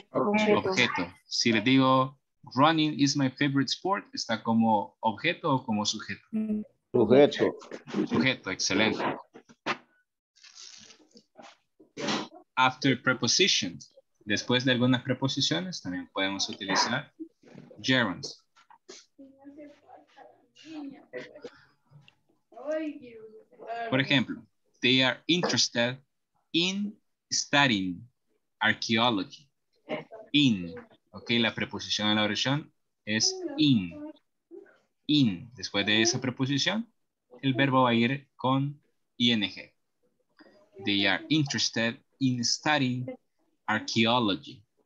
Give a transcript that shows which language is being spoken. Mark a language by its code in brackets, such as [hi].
[es] Objeto. Si le digo, [en] running is my favorite sport, [es] está como objeto o como sujeto. Sujeto. Sujeto, excelente. [en] After prepositions. [es] Después de algunas preposiciones, también podemos utilizar gerunds. Por ejemplo, [en] they are interested in studying archaeology. In. [es] Ok, la preposición en la oración es in. In. Después de esa preposición, el verbo va a ir con ing. [en] They are interested in studying archaeology.